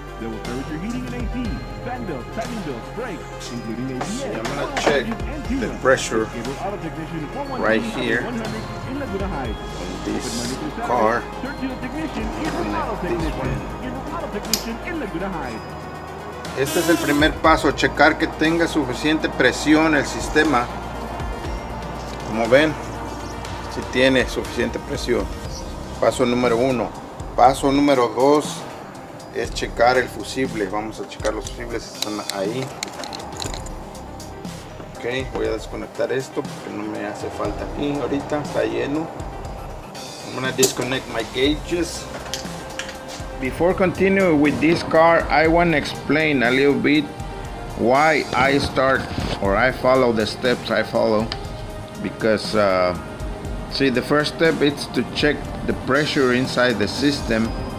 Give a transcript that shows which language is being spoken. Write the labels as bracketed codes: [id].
[en] They will service your heating and AC, fan belt, timing belt, brakes, including ABS. I'm gonna check the pressure right here in Laguna Heights. On this car. Search your technician, auto technician in Laguna Heights. [es] Este es el primer paso, checar que tenga suficiente presión el sistema. Como ven, si tiene suficiente presión. Paso número uno. Paso número dos es checar el fusible. Vamos a checar los fusibles que están ahí. Ok, voy a desconectar esto porque no me hace falta aquí ahorita. Está lleno. [en] I'm gonna disconnect my gauges. Before continuing with this car, I want to explain a little bit why I start or I follow the steps I follow. Because, see, the first step is to check the pressure inside the system.